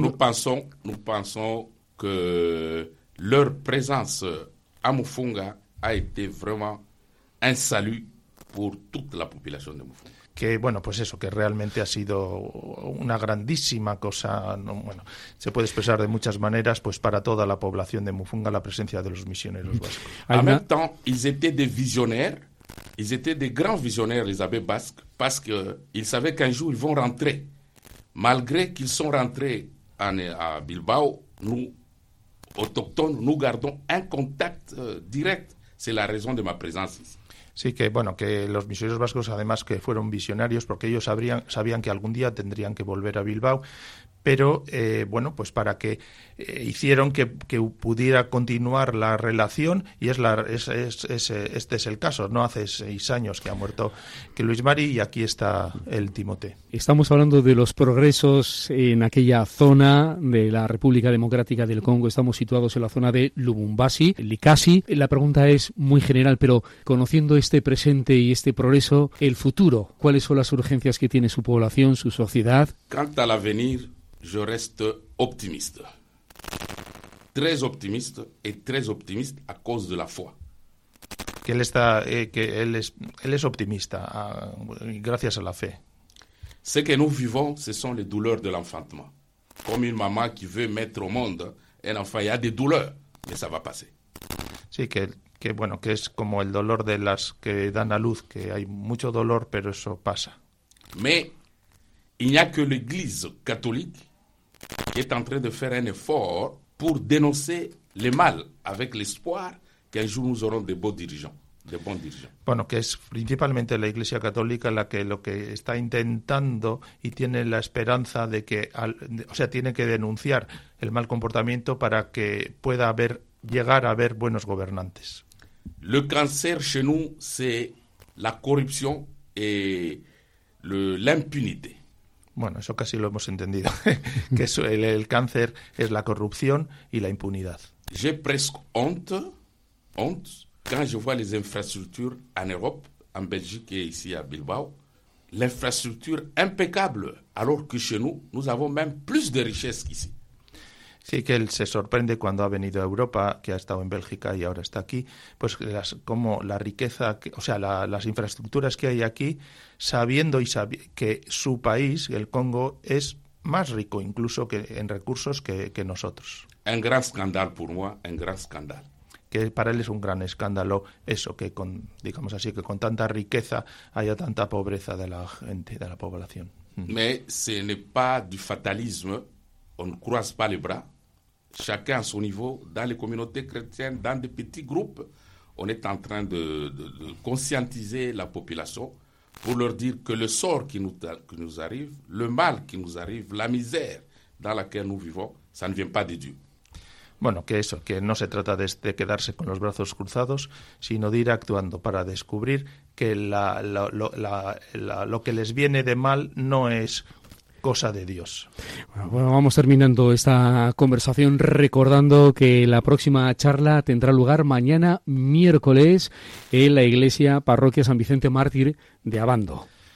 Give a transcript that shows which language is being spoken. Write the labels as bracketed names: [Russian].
[French] Donc, nous pensons que leur présence à Mufunga a été vraiment un salut pour toute la population de Mufunga. [Spanish] Que bueno, pues eso, que realmente ha sido una grandísima cosa, no, bueno, se puede expresar de muchas maneras, pues para toda la población de Mufunga la presencia de los misioneros vascos. [French] En même temps, ils étaient des visionnaires, ils étaient des grands visionnaires, les abbés basques, parce que ils savaient qu'un jour ils vont rentrer. Malgré qu'ils sont rentrés à Bilbao, nous autochtones, nous gardons un contact direct. C'est la raison de ma présence ici. [Spanish] Sí, que bueno, que los misioneros vascos además que fueron visionarios porque ellos sabían que algún día tendrían que volver a Bilbao, pero bueno, pues para que hicieron que pudiera continuar la relación y este es el caso. No hace 6 años que ha muerto que Luis Mari y aquí está el Timoté. Estamos hablando de los progresos en aquella zona de la República Democrática del Congo. Estamos situados en la zona de Lubumbashi, Likasi. La pregunta es muy general, pero conociendo este presente y este progreso, el futuro, ¿cuáles son las urgencias que tiene su población, su sociedad? Canta al avenir. [French] Je reste optimiste, très optimiste et très optimiste à cause de la foi. [Spanish] Que él es optimista, gracias a la fe. [French] Ce que nous vivons, ce sont les douleurs de l'enfantement. Comme une maman qui veut mettre au monde un enfant, il y a des douleurs, mais ça va passer. [Spanish] Sí, que bueno, que es como el dolor de las que dan a luz, que hay mucho dolor, pero eso pasa. [French] Mais il n'y a que l'Église catholique qui est en train de faire un effort pour dénoncer le mal avec l'espoir qu'un jour nous aurons des beaux dirigeants, des bons dirigeants. [Spanish] Bueno, que es principalmente la Iglesia Católica la que lo que está intentando y tiene la esperanza de que, o sea, tiene que denunciar el mal comportamiento para que pueda llegar a haber buenos gobernantes. [French] Le cancer chez nous, c'est la corrupción y l'impunité. [Spanish] Bueno, eso casi lo hemos entendido, que eso, el cáncer es la corrupción y la impunidad. [French] J'ai presque honte quand je vois les infrastructures en Europe, en Belgique et ici à Bilbao, l'infrastructure impeccable, alors que chez nous, nous avons même plus de richesse qu'ici. [Spanish] Sí, que él se sorprende cuando ha venido a Europa, que ha estado en Bélgica y ahora está aquí, pues como la riqueza, o sea, las infraestructuras que hay aquí, sabiendo que su país, el Congo, es más rico incluso que en recursos que nosotros. Un gran escándalo para mí, un gran escándalo. Que para él es un gran escándalo eso, que con, digamos así, que con tanta riqueza haya tanta pobreza de la gente, de la población. [French] Mais ce n'est pas du fatalisme. On ne croise pas les bras, chacun à son niveau, dans les communautés chrétiennes, dans des petits groupes, on est en train de conscientiser la population pour leur dire que le sort qui nous arrive, le mal qui nous arrive, la misère dans laquelle nous vivons, ça ne vient pas de Dieu. [Spanish] bueno, que eso, que no se trata de quedarse con los brazos cruzados, sino de ir actuando para descubrir que lo que les viene de mal no es cosa de Dios. Bueno, vamos terminando esta conversación recordando que la próxima charla tendrá lugar mañana miércoles en la iglesia parroquia San Vicente Mártir de Abando.